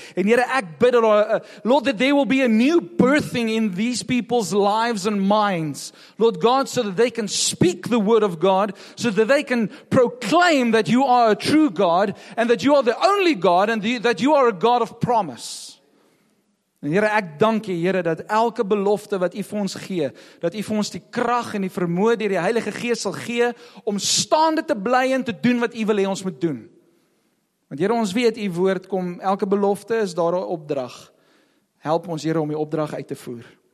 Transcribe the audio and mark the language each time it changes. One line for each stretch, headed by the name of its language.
Afrikaans: En Here, ek bid dat
English: Lord, that there will be a new birthing in these people's lives and minds. Lord God, so that they can speak the word of God, so that they can proclaim that you are a true God and that you are the only God and that you are a God of promise.
Afrikaans: En Here, ek dank U, Here, dat elke belofte wat U vir ons gee, dat U vir ons die krag en die vermoë deur die Heilige Gees sal gee om staande te bly en te doen wat U wil hê ons moet doen. Want Here, ons weet U woord kom, elke belofte is daar 'n opdrag. Help ons, Here, om die opdrag uit te voer.